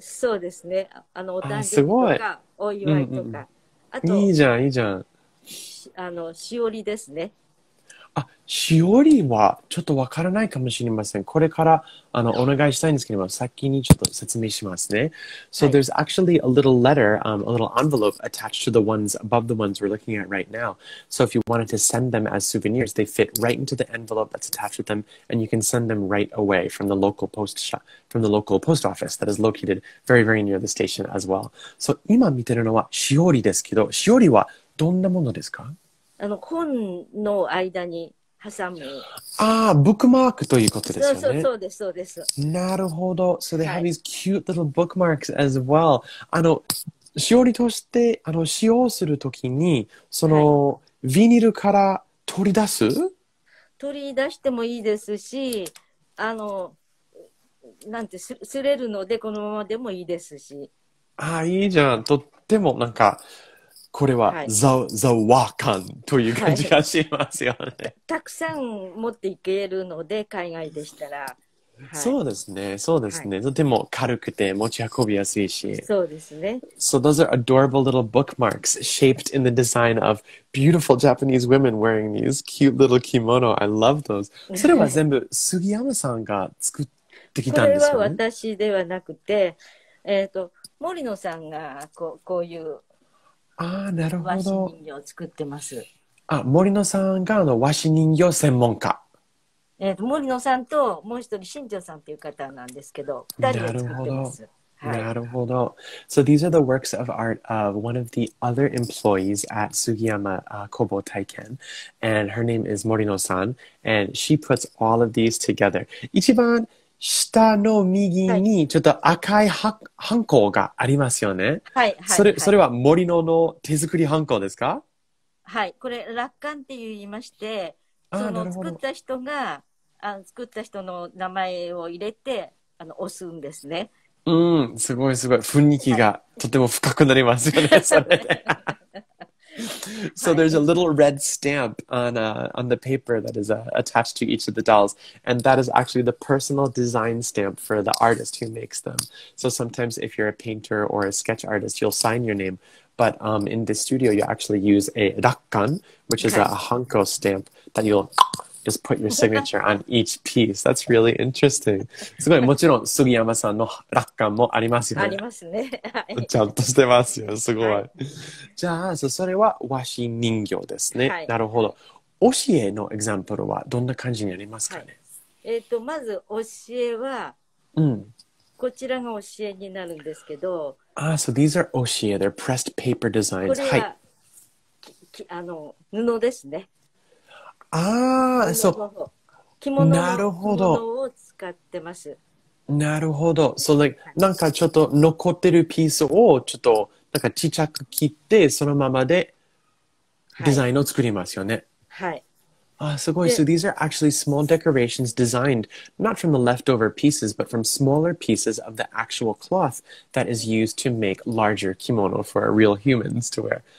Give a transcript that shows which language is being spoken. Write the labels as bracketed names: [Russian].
[Japanese] そうですね。あのお誕生日とかお祝いとか、うんうん、あといいじゃんいいじゃん。あのしおりですね。あしおりはちょっとわからないかもしれません。これからあのお願いしたいんですけども、先にちょっと説明しますね。 [English] So there's actually a little letter, a little envelope attached to the ones above the ones we're looking at right now. So if you wanted to send them as souvenirs, they fit right into the envelope that's attached with them, and you can send them right away from the local post shop, from the local post office that is located very, very near the station as well. So [Japanese] 今見てるのはしおりですけど、しおりはどんなものですか？あの本の間に挟む。ああ、ブックマークということですよね。そうそうそうです、そうです。なるほど。 [English] So they have these cute little bookmarks as well. [Japanese] あの、しおりとして、あの、使用するときに、その、はい、ビニールから取り出す？取り出してもいいですし、あの、なんて、擦れるので、このままでもいいですし。ああ、いいじゃん。とってもなんか、これは、はい、ザ・ワー感という感じがしますよね、はい、たくさん持っていけるので海外でしたら、はい、そうですね、そうですね、はい、とても軽くて持ち運びやすいし、そうですね。 [English] So those are adorable little bookmarks shaped in the design of beautiful Japanese women wearing these cute little kimono. I love those. [Japanese] それは全部杉山さんが作ってきたんですよね。これは私ではなくて、森野さんがこういう、ああ、なるほど。和紙人形を作ってます。あ、森野さんがあの和紙人形専門家。森野さんともう一人新庄さんという方なんですけど、二人で作ってます。なるほど。なるほど。 [English] So these are the works of art of one of the other employees at Sugiyama Kobo Taiken. And her name is Morino-san. And she puts all of these together. [Japanese] 一番下の右にちょっと赤いハンコがありますよね。はい、はい、はい。それは森野の手作りハンコですか？はい、これ、楽観って言いまして、その作った人が、作った人の名前を入れて、押すんですね。うん、すごいすごい。雰囲気がとても深くなりますよね、はい、それで。 [English] So there's a little red stamp on the paper that is attached to each of the dolls, and that is actually the personal design stamp for the artist who makes them. So sometimes if you're a painter or a sketch artist, you'll sign your name, but in this studio, you actually use a rakkan, which is a hanko stamp that you'll just put your signature on each piece. That's really interesting. [Japanese] すごい、もちろん杉山さんの楽観もありますよね。ありますね。はい、ちゃんとしてますよ。すごい。はい、じゃあ、それは和紙人形ですね。はい、なるほど。押し絵のエグザンプルはどんな感じになりますかね。はい、まず押し絵は、うん、こちらが押し絵になるんですけど。 [English] ああ、so these are 押し絵。They're pressed paper designs. [Japanese] これは、はい、あの布ですね。ああ、そう。着物の布を使ってます。なるほど。そう、なんかちょっと残ってるピースをちょっとなんか小さく切って、そのままでデザインを作りますよね。はい。はい、あ、すごい。 [English] So these are actually small decorations designed not from the leftover pieces, but from smaller pieces of the actual cloth that is used to make larger kimono for real humans to wear.